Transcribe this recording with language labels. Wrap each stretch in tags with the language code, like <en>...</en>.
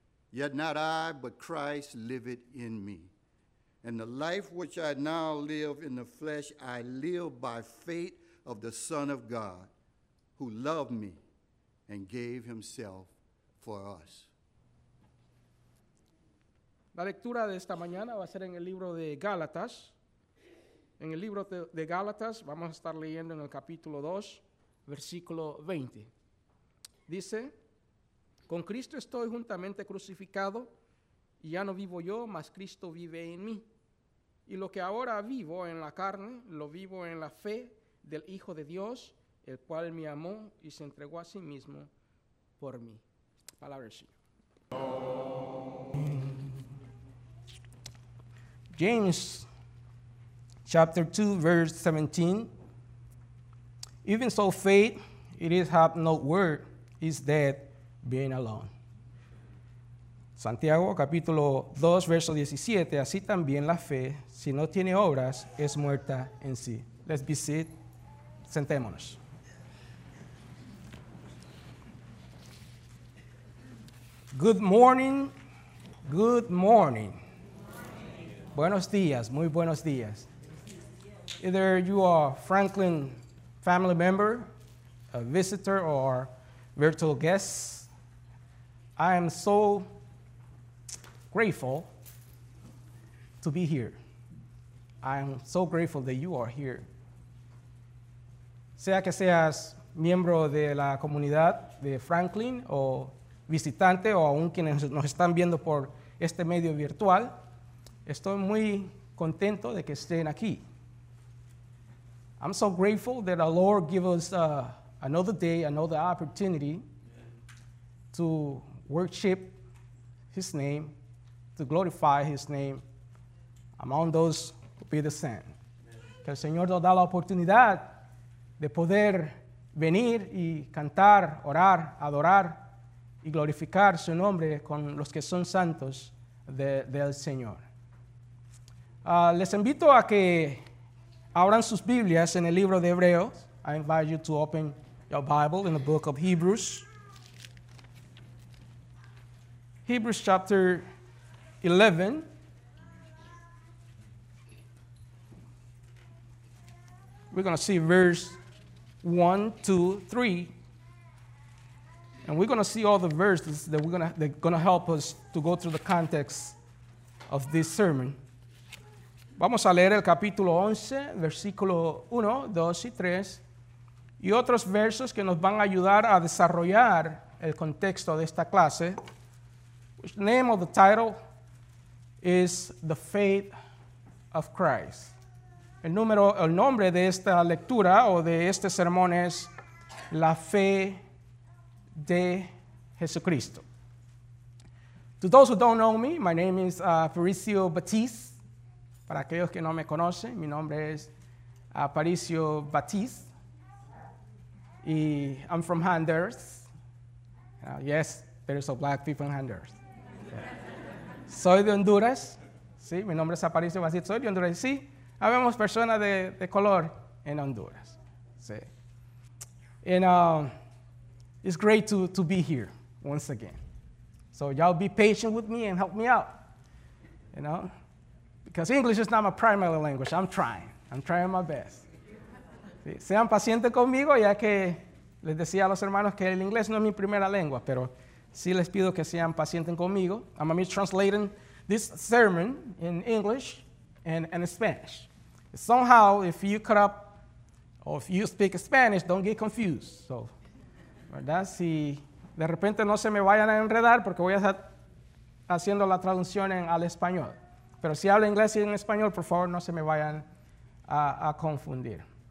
<en>Yet not I, but Christ liveth in me. And the life which I now live in the flesh, I live by faith of the Son of God, who loved me and gave himself for us.</en> <es>La lectura de esta mañana va a ser en el libro de Gálatas. En el libro de Gálatas vamos a estar leyendo en el capítulo 2, versículo 20. Dice, con Cristo estoy juntamente crucificado, y ya no vivo yo, mas Cristo vive en mí. Y lo que ahora vivo en la carne, lo vivo en la fe del Hijo de Dios, el cual me amó y se entregó a sí mismo por mí. Palabra del Señor.</es> <en>James chapter 2, verse 17. Even so, faith, it is have no word, is dead, being alone.</en> <es>Santiago, capítulo 2, verso 17. Así también la fe, si no tiene obras, es muerta en sí.</es> <en>Let's be seated.</en> <es>Sentémonos.</es> <en>Good morning. Good morning.</en> <es>Buenos días, muy buenos días.</es> <en>Either you are a Franklin family member, a visitor, or virtual guest, I am so grateful to be here. I am so grateful that you are here.</en> <es>Sea que seas miembro de la comunidad de Franklin, o visitante, o aún quienes nos están viendo por este medio virtual, estoy muy contento de que estén aquí.</es> <en>I'm so grateful that the Lord gives us another day, another opportunity to worship his name, to glorify his name among those who be the same.</en> <es>Que el Señor nos da la oportunidad de poder venir y cantar, orar, adorar y glorificar su nombre con los que son santos del Señor. Les invito a que abran sus Biblias en el libro de Hebreos.</es> <en>I invite you to open your Bible in the book of Hebrews. Hebrews chapter 11. We're going to see verse 1, 2, 3. And we're going to see all the verses that are going to help us to go through the context of this sermon.</en> <es>Vamos a leer el capítulo 11, versículo 1, 2 y 3, y otros versos que nos van a ayudar a desarrollar el contexto de esta clase.</es> <en>The name of the title is The Faith of Christ.</en> <es>El nombre de esta lectura o de este sermón es La Fe de Jesucristo.</es> <en>To those who don't know me, my name is Fabricio Batiste.</en> <es>Para aquellos que no me conocen, mi nombre es Aparicio Batiste.</es> <en>Y I'm from Honduras. Yes, there is a black people in Honduras.</en> <es>Yeah. Soy de Honduras. Sí, mi nombre es Aparicio Batiste. Soy de Honduras. Sí, habemos personas de color en Honduras. Sí.</es> <en>And it's great to be here once again. So y'all be patient with me and help me out. You know? Because English is not my primary language. I'm trying my best. Sí.</en> <es>Sean pacientes conmigo, ya que les decía a los hermanos que el inglés no es mi primera lengua, pero sí les pido que sean pacientes conmigo.</es> <en>I'm going to be translating this sermon in English and in Spanish. Somehow, if you cut up, or if you speak Spanish, don't get confused.</en> <es>So, ¿verdad? Si de repente no se me vayan a enredar, porque voy a estar haciendo la traducción al español. Pero si hablo inglés y en español, por favor, no se me vayan a confundir.</es>